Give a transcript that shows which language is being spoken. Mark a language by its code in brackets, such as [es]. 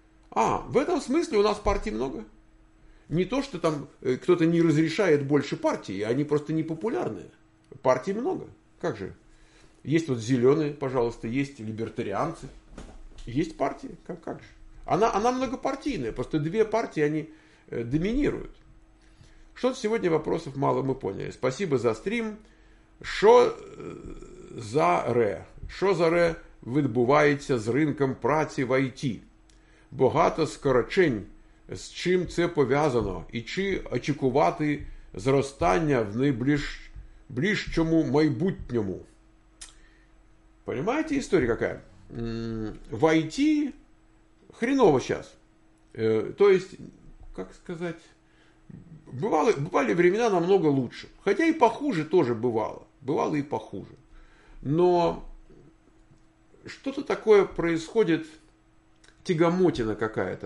[ru] А, в этом смысле у нас партий много. Не то, что там кто-то не разрешает больше партий, они просто непопулярные. Партий много. Как же? Есть вот зеленые, пожалуйста, есть либертарианцы. Есть партии, как же? Она многопартийная, просто две партии, они доминируют. Что-то сегодня вопросов мало мы поняли. Спасибо за стрим. [uk] Шо за ре? Шо за ре відбувається з ринком праці в IT? Багато скорочень. З чим це пов'язано? І чи очікувати зростання в найближчому майбутньому? [ru] Понимаете, [uk] історія яка? В IT хреново зараз. [ru] То есть, [uk] як сказати... [ru] Бывали времена намного лучше. Хотя и похуже тоже бывало. Бывало и похуже. Но что-то такое происходит, тягомотина какая-то.